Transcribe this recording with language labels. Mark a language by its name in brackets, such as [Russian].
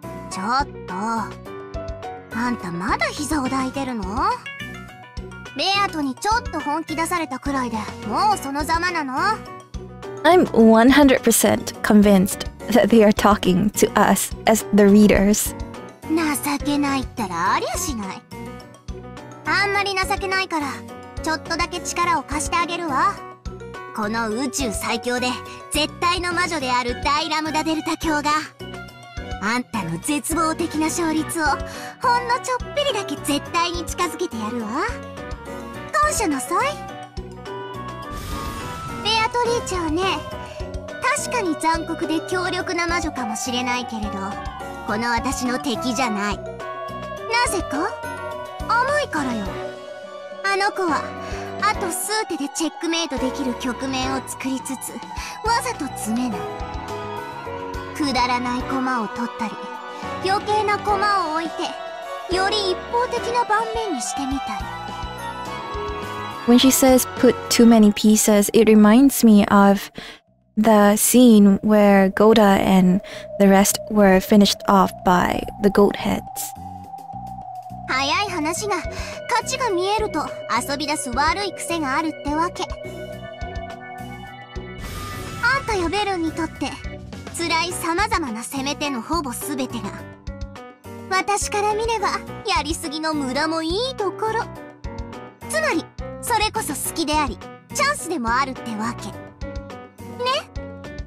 [Japanese] ちょっと、あんたまだ膝を抱いてるの？ベアトにちょっと本気出されたくらいでもうそのざまなの？ [English] I'm 100% convinced that they are talking to us as the readers. [Japanese] 情けないったらありゃしない。あんまり情けないからちょっとだけ力を貸してあげるわ。この宇宙最強で絶対の魔女である大ラムダデルタ卿が、あんたの絶望的な勝率をほんのちょっぴりだけ絶対に近づけてやるわ。感謝なさい。ベアトリーチはね、確かに残酷で強力な魔女かもしれないけれど、この私の敵じゃない。なぜか甘いからよ。あの子はあと数手でチェックメイトできる局面を作りつつわざと詰めない。くだらない駒を取ったり、余計な駒を置いて、より一方的な盤面にしてみたり。 [English] When she says put too many pieces, it reminds me of the scene where Goda and the rest were finished off by the goat heads. [Japanese] 早い話が、勝ちが見えると遊び出す悪い癖があるってわけ。あんたやベルンにとって、辛い様々な攻め手のほぼ全てが、私から見ればやりすぎの無駄もいいところ、つまりそれこそ好きでありチャンスでもあるってわけね。